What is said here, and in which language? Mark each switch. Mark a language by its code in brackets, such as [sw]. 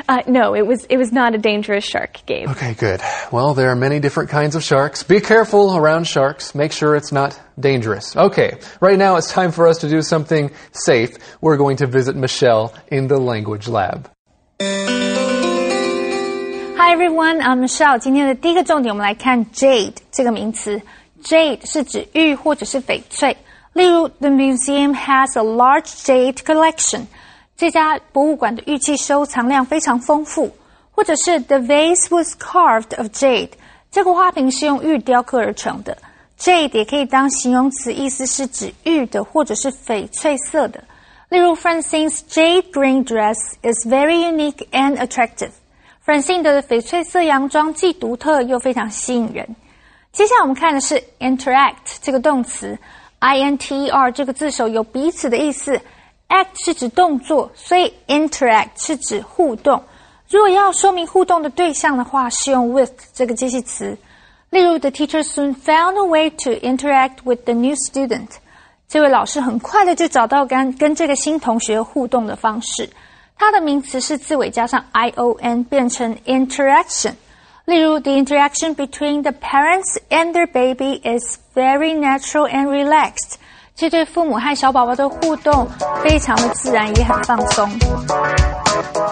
[en] No, it was not a dangerous shark, Gabe. Okay, good. Well, there are many different kinds of sharks. Be careful around sharks. Make sure it's not dangerous. Okay, right now it's time for us to do something safe. We're going to visit Michelle in the language lab. Hi everyone, I'm Michelle. [zh] 今天的第一个重点我们来看 jade 这个名词。 Jade 是指玉或者是翡翠。例如 [en] ,the museum has a large jade collection. [zh] 这家博物馆的玉器收藏量非常丰富。或者是 [en] ,the vase was carved of jade. [zh] 这个花瓶是用玉雕刻而成的。Jade 也可以当形容词，意思是指玉的或者是翡翠色的。例如 [en] ,Francine's jade green dress is very unique and attractive. [zh] Francine 的翡翠色洋装既独特又非常吸引人。接下来我们看的是 interact 这个动词。INTER 这个字首有彼此的意思。 Act 是指动作，所以 interact 是指互动。如果要说明互动的对象的话，是用 with 这个介系词。例如 [en] ,the teacher soon found a way to interact with the new student. [zh] 这位老师很快的就找到跟这个新同学互动的方式。他的名词是字尾加上 ion 变成 interaction。例如 [en] ,the interaction between the parents and their baby is very natural and relaxed. [zh] 这对父母和小宝宝的互动非常的自然也很放松。